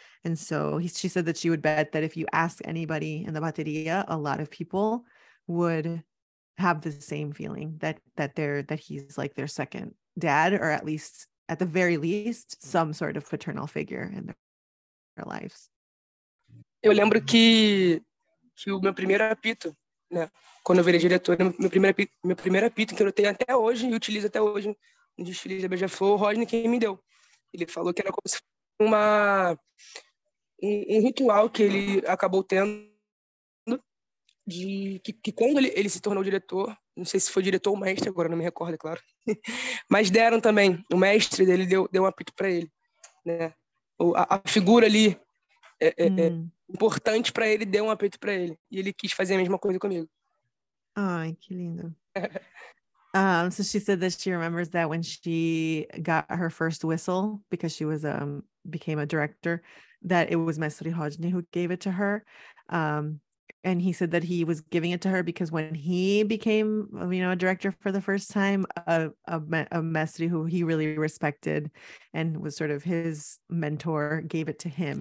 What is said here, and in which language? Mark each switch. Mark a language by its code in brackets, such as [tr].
[en] And so she said that she would bet that if you ask anybody in the bateria, a lot of people would have the same feeling that he's like their second dad, or at least at the very least some sort of paternal figure in their lives. [pt] Eu lembro que o meu primeiro apito, né, quando eu virei diretora, meu primeiro apito que eu tenho até hoje e utilizo até hoje no desfile da Beija-Flor, o Rodney quem me deu. Ele falou que era como se fosse um ritual que ele acabou tendo. Que quando ele se tornou diretor, não sei se foi diretor ou mestre, agora não me recordo, é claro, mas deram também, o mestre dele deu um apito para ele, né? A figura ali importante para ele deu um apito para ele, e ele quis fazer a mesma coisa comigo. Ai, que lindo. [en] So she said that she remembers that when she got her first whistle, because she was became a director, that it was Mestre Rodney who gave it to her. And he said that he was giving it to her because when he became, you know, a director for the first time, a mestre who he really respected and was sort of his mentor gave it to him.